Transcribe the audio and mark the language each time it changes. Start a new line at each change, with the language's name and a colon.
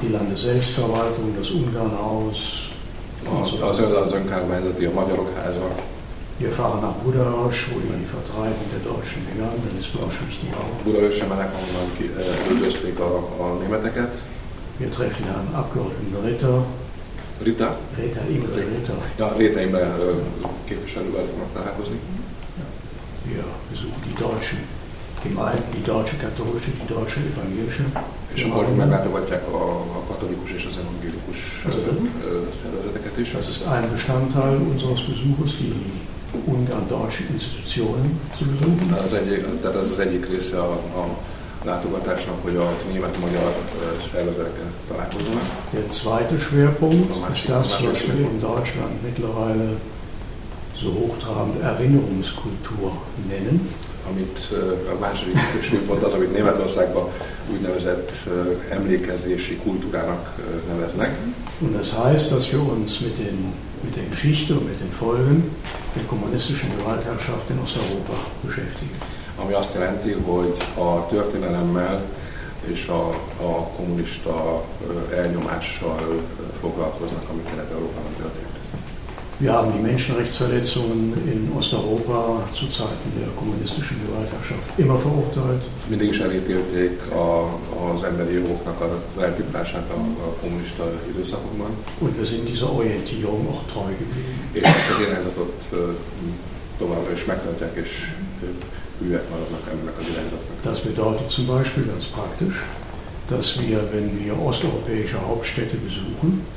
German: Die Landesselbstverwaltung, das Ungarnhaus.
Hungarian: Az önkormányzati, a magyarok háza.
German: Wir fahren nach Budaörs, wo die Vertreibung der Deutschen begann, dann ist Budaörs die Mauer.
Hungarian: Budaörs sem ennek, ahonnan üldözték a németeket.
German: Wir treffen einen Abgeordneten Ritter. Ritter? Ritter, Imre Ritter.
Hungarian: Ja, Ritter Imre képviselővel fognak találkozni.
German: Wir besuchen die Deutschen. Die deutsche katholische, die deutsche evangelische.
Hungarian: És akkor meglátogatják a katolikus és az evangélikus szervezeteket is.
German: Das ist ein Bestandteil unseres Besuches, die ungarn-deutsche Institutionen zu besuchen.
Hungarian: Tehát ez az egyik része a látogatásnak, hogy a német-magyar szervezetekkel találkozunk.
German: Der zweite Schwerpunkt ist das, was wir in Deutschland mittlerweile so hochtrabend Erinnerungskultur nennen.
Hungarian: Amit a második súlypont az, amit Németországban úgynevezett emlékezési kultúrának neveznek.
German: Und das heißt, dass wir uns mit der Geschichte und mit den Folgen der kommunistischen Gewaltherrschaft in Osteuropa beschäftigen.
Hungarian: Ami azt jelenti, hogy a történelemmel és a kommunista elnyomással foglalkoznak, ami Kelet-Európában történt.
German: Wir haben die Menschenrechtsverletzungen in Osteuropa zu Zeiten der kommunistischen Gewaltherrschaft immer verurteilt.
Hungarian: Mindig is elítélték az emberi jogoknak az eltiprását a kommunista időszakokban.
German: Und wir sind dieser Orientierung auch treu geblieben.
Hungarian: És ezt az irányzatot továbbra is megtartják és
German: bewerten wir das nach einem Gemeinsamkeit. Das bedeutet zum Beispiel ganz praktisch, dass wir, wenn wir osteuropäische Hauptstädte besuchen,